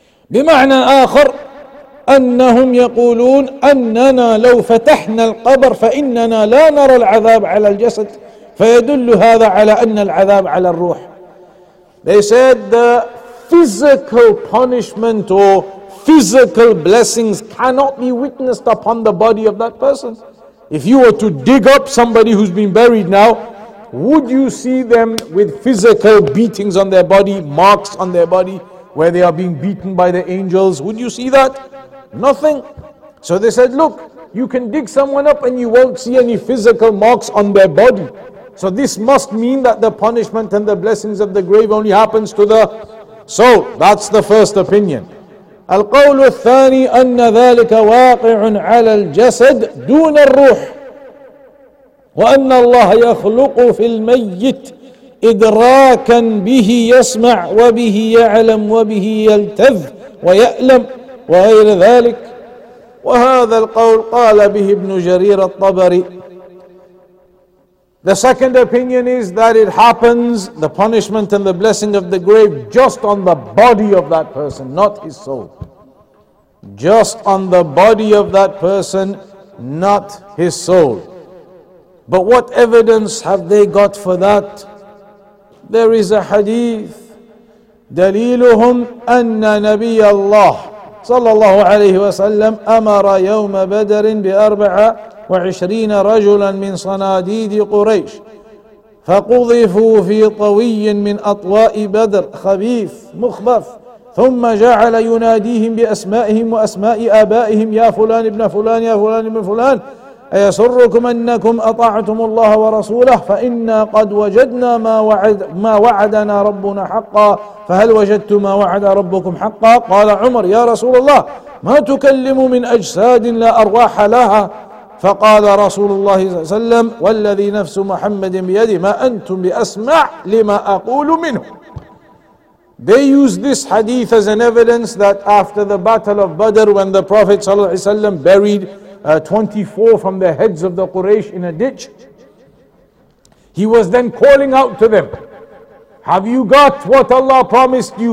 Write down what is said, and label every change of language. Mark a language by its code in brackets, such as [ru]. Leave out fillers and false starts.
[ar] بمعنى آخر, أنهم يقولون أننا لو فتحنا القبر فإننا لا نرى العذاب على الجسد, فيدل هذا على أن العذاب على الروح. [en] They said the physical punishment or physical blessings cannot be witnessed upon the body of that person. If you were to dig up somebody who's been buried now, would you see them with physical beatings on their body, marks on their body where they are being beaten by the angels? Would you see that? Nothing. So they said, look, you can dig someone up and you won't see any physical marks on their body. So this must mean that the punishment and the blessings of the grave only happens to the So that's the first opinion. [ar] القول الثاني أن ذلك واقع على الجسد دون الروح وأن الله يخلق في الميت إدراكا به يسمع وبه يعلم وبه يلتذ ويألم وغير ذلك. وهذا القول قال به ابن جرير الطبري. [en] The second opinion is that it happens, the punishment and the blessing of the grave, just on the body of that person, not his soul. Just on the body of that person, not his soul. But what evidence have they got for that? There is a hadith. [ar] دليلهم أن نبي الله صلى الله عليه وسلم أمر يوم بدر بأربعة وعشرين رجلا من صناديد قريش فقذفوا في طوي من أطواء بدر خبيف مخبف ثم جعل يناديهم بأسمائهم وأسماء آبائهم يا فلان ابن فلان يا فلان ابن فلان أيسركم أنكم أطعتم الله ورسوله فإنا قد وجدنا ما وعدنا ربنا حقا فهل وجدتم ما وعد ربكم حقا قال عمر يا رسول الله ما تكلم من أجساد لا أرواح لها فقال رسول الله صلى الله عليه وسلم والذي نفس محمد بيده ما أنتم بأسمع لما أقول منه. [en] They use this hadith as an evidence that after the battle of Badr, when the Prophet [ar] صلى الله عليه وسلم [en] buried 24 from the heads of the Quraysh in a ditch, he was then calling out to them, have you got what Allah promised you?